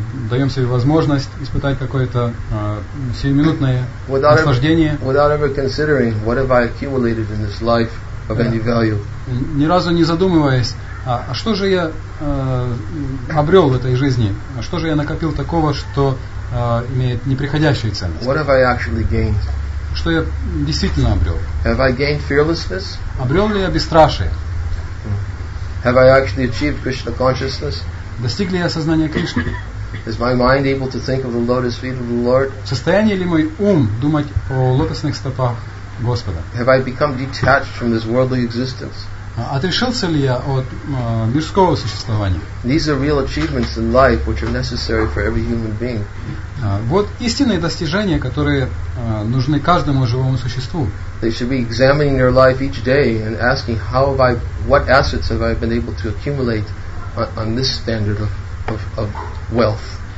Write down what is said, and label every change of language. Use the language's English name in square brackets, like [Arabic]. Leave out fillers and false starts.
[Russian] Даем себе возможность испытать какое-то сиюминутное наслаждение. [English] Without ever considering what have I accumulated in this life of any value. [Russian] Ни разу не задумываясь, а что же я обрел в этой жизни? А что же я накопил такого, что имеет неприходящую ценность? [English] What have I actually gained? [Russian] Что я действительно обрел? [English] Have I gained fearlessness? [Russian] Обрел ли я бесстрашие? [English] Have I actually achieved Krishna consciousness? [Russian] Достиг ли я сознания Кришны? [English] Is my mind able to think of the lotus feet of the Lord? [Russian] В состоянии ли мой ум думать о лотосных стопах Господа? [English] Have I become detached from this worldly existence? [Russian] Отрешился ли я от мирского существования? [English] These are real achievements in life, which are necessary for every human being. [Russian] Вот истинные достижения, которые нужны каждому живому существу. [English] They should be examining their life each day and asking how have I, what assets have I been able to accumulate on this standard of wealth.